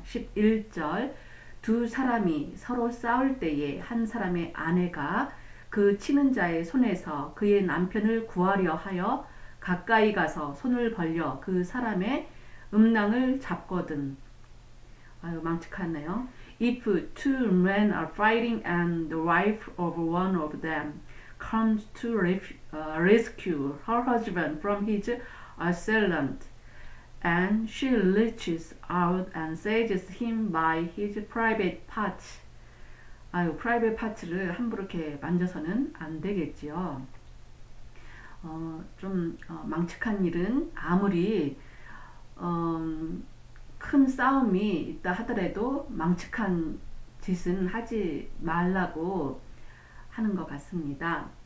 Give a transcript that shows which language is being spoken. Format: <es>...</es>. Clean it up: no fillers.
<ko>11절 두 사람이 서로 싸울 때에 한 사람의 아내가 그 치는 자의 손에서 그의 남편을 구하려 하여 가까이 가서 손을 벌려 그 사람의 음낭을 잡거든. 아유, 망측하네요.</ko> <en>If two men are fighting and the wife of one of them comes to rescue her husband from his assailant and she reaches out and saves him by his private parts.</en> <ko>아유, 프라이빗 파츠를 함부로 이렇게 만져서는 안 되겠지요. 망측한 일은 아무리 큰 싸움이 있다 하더라도 망측한 짓은 하지 말라고 하는 것 같습니다.</ko>